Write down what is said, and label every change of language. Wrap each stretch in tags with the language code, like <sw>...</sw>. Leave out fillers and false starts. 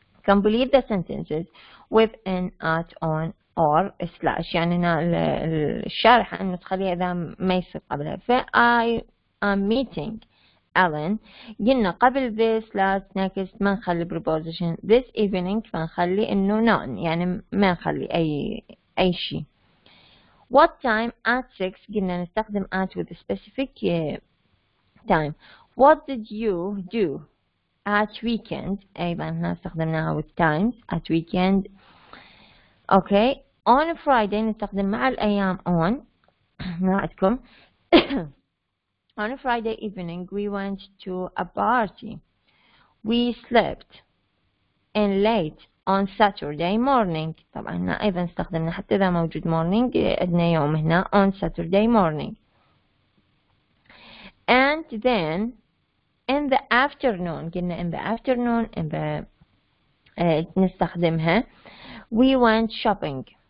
<en>Complete the sentences with an at, on, or, slash.</en> <ar>يعني هنا الشارح أنه تخليها إذا ما يصير قبلها.</ar> <en>ف I am meeting Ellen.</en> <ar>قلنا قبل</ar> <en>this, last, next</en> <ar>ما نخلي preposition.</ar> <en>This evening</en> <ar>ما نخلي إنه none. يعني ما نخلي أي شيء.</ar> <en>What time at 6؟</en> <ar>قلنا نستخدم</ar> <en>at with a specific time. What did you do at weekend؟</en> <ar>أيضا هنا استخدمناها</ar> <en>with times at weekend. Okay. On a Friday</en> <ar>نستخدم مع الأيام</ar> <en>on.</en> <ar>نعدكم.</ar> <en>On a Friday evening we went to a party. We slept in late on Saturday morning.</en> <ar>طبعا هنا أيضا استخدمنا حتى إذا موجود morning عندنا يوم هنا</ar> <en>on Saturday morning. And then in the afternoon, قلنا in the afternoon, in the نستخدمها, we went shopping.</en>